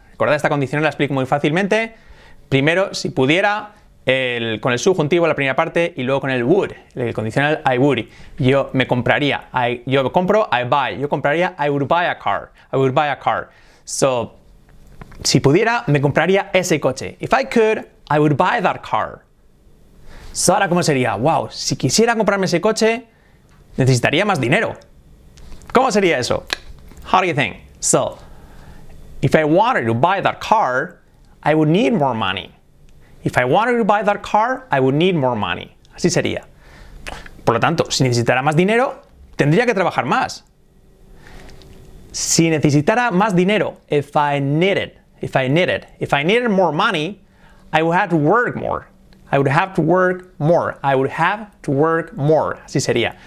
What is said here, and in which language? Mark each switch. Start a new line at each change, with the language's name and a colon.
Spanish: Recordad, esta condicional la explico muy fácilmente. Primero, si pudiera, con el subjuntivo, la primera parte, y luego con el would, el condicional I would. Yo me compraría. Yo compro,
English: I buy.
Spanish: Yo compraría,
English: I would buy a car. I would buy a car.
Spanish: So, si pudiera, me compraría ese coche.
English: If I could, I would buy that car.
Spanish: So, ahora, ¿cómo sería? Wow, si quisiera comprarme ese coche, necesitaría más dinero. ¿Cómo sería eso?
English: How do you think? So, if I wanted to buy that car, I would need more money. If I wanted to buy that car, I would need more money.
Spanish: Así sería. Por lo tanto, si necesitara más dinero, tendría que trabajar más. Si necesitara más dinero,
English: if I needed more money, I would have to work more. I would have to work more. I would have to work more.
Spanish: Así sería.